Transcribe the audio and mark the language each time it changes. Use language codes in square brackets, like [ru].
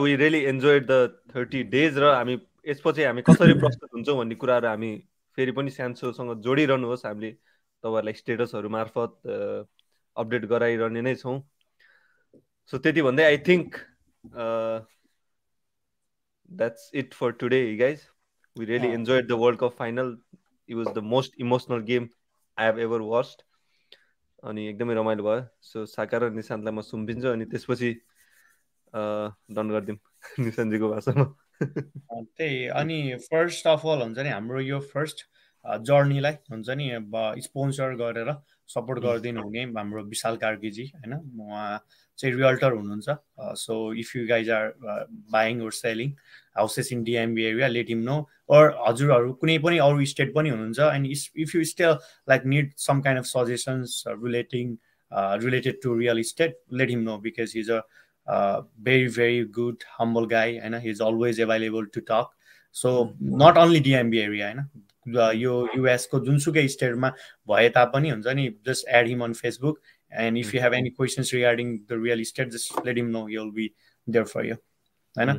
[en] we really enjoyed the 30 days [ne] र हामी यसपछि हामी कसरी प्रस्तुत हुन्छौँ भन्ने कुराहरू हामी फेरि पनि सान्सोसँग जोडिरहनुहोस्. हामीले तपाईँहरूलाई स्टेटसहरू मार्फत अपडेट गराइरहने नै छौँ. सो त्यति भन्दै [en] I think that's it for today guys. We really enjoyed the world cup final. It was the most emotional game I have ever watched [ne] अनि एकदमै रमाइलो भयो. सो साकार र निशान्तलाई म सुम्पिन्छु अनि त्यसपछि डन गरिदिउँ निशान्तजीको भाषामा. त्यही अनि फर्स्ट अफ अल हुन्छ नि हाम्रो यो फर्स्ट जर्नीलाई हुन्छ नि स्पोन्सर गरेर सपोर्ट गरिदिनु हुने हाम्रो विशाल कार्कीजी, होइन, उहाँ चाहिँ रियल्टर हुनुहुन्छ. [en] So if you guys are buying or selling houses in DMV area, let him know. [ne] Or हजुरहरू कुनै पनि अरू स्टेट पनि हुनुहुन्छ [en] And if you still like need some kind of suggestions relating related to real estate, let him know, because he is a very very good humble guy, होइन, he is always available to talk. So not only DMV area, [ne] होइन, यो युएसको जुनसुकै स्टेटमा भए तापनि हुन्छ नि, [en] Just add him on Facebook and if you have any questions regarding the real state just let him know, he will be there for you, होइन.